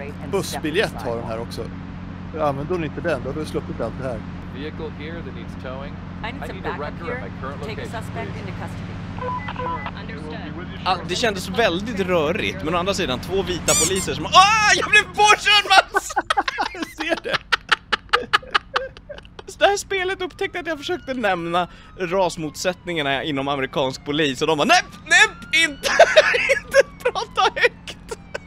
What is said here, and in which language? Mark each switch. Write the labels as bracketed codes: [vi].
[sv] Bussbiljett har hon här också. Använder hon inte den, då har du sluppit allt det här. [en] Vehicle here that needs towing. I need some backup here. Take a suspect into custody. [sv] Ah, det kändes väldigt rörigt, men å andra sidan två vita poliser som ah, jag blev påkörd, Mats! Ser det? Så det här spelet upptäckte att jag försökte nämna rasmotsättningarna inom amerikansk polis och de bara nej, inte inte prata högt.